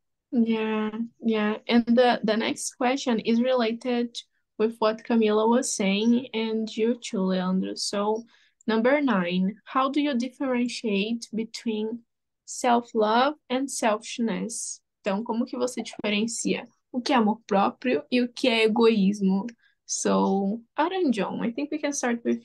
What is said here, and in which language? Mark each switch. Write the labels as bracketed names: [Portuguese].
[English] Yeah. And the next question is related with what Camila was saying and you too, Leandro. So, number nine, how do you differentiate between self-love and selfishness? [Portuguese] Então, como que você diferencia o que é amor próprio e o que é egoísmo? [English] So, Aranjon, I think we can start with